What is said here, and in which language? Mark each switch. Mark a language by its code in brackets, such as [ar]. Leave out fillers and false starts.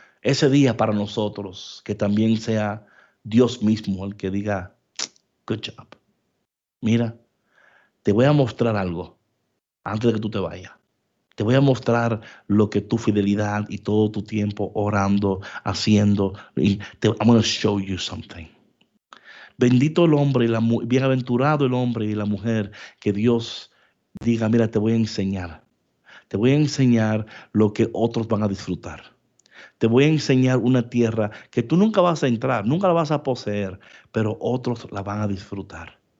[es] Ese día para nosotros, que también sea Dios mismo el que diga, [en] good job. [es] Mira, te voy a mostrar algo antes de que tú te vayas. Te voy a mostrar lo que tu fidelidad y todo tu tiempo orando, haciendo. [en] I'm going to show you something. [es] Bendito el hombre, bienaventurado el hombre y la mujer, que Dios diga, mira, te voy a enseñar. Te voy a enseñar lo que otros van a disfrutar. Te voy a enseñar una tierra que tú nunca vas a entrar, nunca la vas a poseer, pero otros la van a disfrutar.